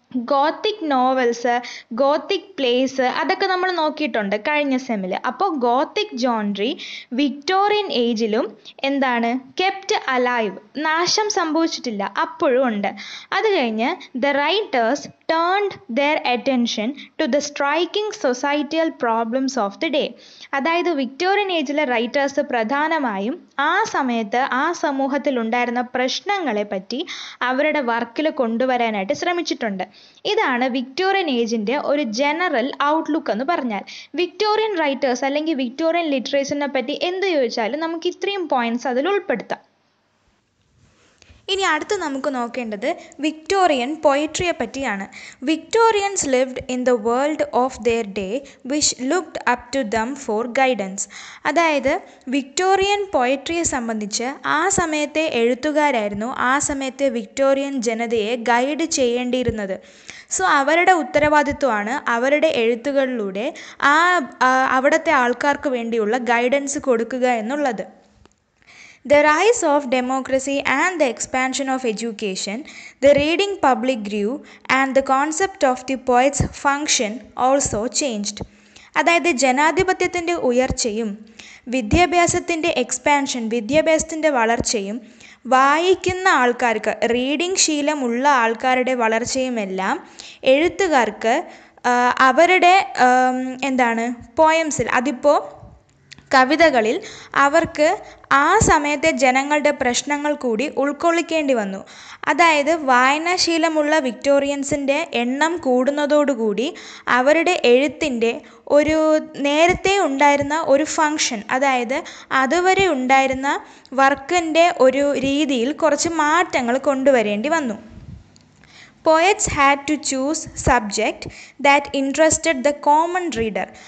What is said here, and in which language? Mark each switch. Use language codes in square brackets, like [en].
[ml] Gothic novels, Gothic place അതൊക്കെ നമ്മൾ നോക്കിയിട്ടുണ്ട് കഴിഞ്ഞ സെമിൽ. അപ്പോൾ ഗോത്തിക് ജോൺറി വിക്ടോറിയൻ ഏജിലും എന്താണ് [en] kept alive, [ml] നാശം സംഭവിച്ചിട്ടില്ല, അപ്പോഴും ഉണ്ട്. അത് കഴിഞ്ഞ് [en] The writers turned their attention to the striking societal problems of the day. [ml] അതായത് വിക്ടോറിയൻ ഏജിലെ റൈറ്റേഴ്സ് പ്രധാനമായും ആ സമയത്ത് ആ സമൂഹത്തിൽ ഉണ്ടായിരുന്ന പ്രശ്നങ്ങളെ പറ്റി അവരുടെ വർക്കിൽ കൊണ്ടുവരാനായിട്ട് ശ്രമിച്ചിട്ടുണ്ട്. ഇതാണ് വിക്ടോറിയൻ ഏജിൻ്റെ ഒരു ജനറൽ ഔട്ട്ലുക്ക് എന്ന് പറഞ്ഞാൽ. വിക്ടോറിയൻ റൈറ്റേഴ്സ് അല്ലെങ്കിൽ വിക്ടോറിയൻ ലിറ്ററേച്ചറിനെ പറ്റി എന്ത് ചോദിച്ചാലും നമുക്ക് ഇത്രയും പോയിന്റ്സ് അതിൽ ഉൾപ്പെടുത്താം. ഇനി അടുത്ത് നമുക്ക് നോക്കേണ്ടത് വിക്ടോറിയൻ പൊയട്രിയെ പറ്റിയാണ്. [en] Victorians lived in the world of their day which looked up to them for guidance. [ml] അതായത് വിക്ടോറിയൻ പൊയട്രിയെ സംബന്ധിച്ച് ആ സമയത്തെ എഴുത്തുകാരായിരുന്നു ആ സമയത്തെ വിക്ടോറിയൻ ജനതയെ ഗൈഡ് ചെയ്യേണ്ടിയിരുന്നത്. സോ അവരുടെ ഉത്തരവാദിത്വമാണ് അവരുടെ എഴുത്തുകളിലൂടെ ആ അവിടുത്തെ ആൾക്കാർക്ക് വേണ്ടിയുള്ള ഗൈഡൻസ് കൊടുക്കുക എന്നുള്ളത്. [en] The rise of democracy and the expansion of education, the reading public grew, and the concept of the poet's function also changed. [ml] അതായത് ജനാധിപത്യത്തിൻ്റെ ഉയർച്ചയും വിദ്യാഭ്യാസത്തിൻ്റെ എക്സ്പാൻഷൻ വിദ്യാഭ്യാസത്തിൻ്റെ വളർച്ചയും വായിക്കുന്ന ആൾക്കാർക്ക് റീഡിംഗ് ശീലമുള്ള ആൾക്കാരുടെ വളർച്ചയുമെല്ലാം എഴുത്തുകാർക്ക് അവരുടെ എന്താണ് പോയംസിൽ അതിപ്പോൾ കവിതകളിൽ അവർക്ക് ആ സമയത്തെ ജനങ്ങളുടെ പ്രശ്നങ്ങൾ കൂടി ഉൾക്കൊള്ളിക്കേണ്ടി വന്നു. അതായത് വായനാശീലമുള്ള വിക്ടോറിയൻസിൻ്റെ എണ്ണം കൂടുന്നതോടുകൂടി അവരുടെ എഴുത്തിൻ്റെ ഒരു നേരത്തെ ഉണ്ടായിരുന്ന ഒരു ഫങ്ഷൻ അതായത് അതുവരെ ഉണ്ടായിരുന്ന വർക്കിൻ്റെ ഒരു രീതിയിൽ കുറച്ച് മാറ്റങ്ങൾ കൊണ്ടുവരേണ്ടി വന്നു. [en] Poets had to choose subject that interested the common reader.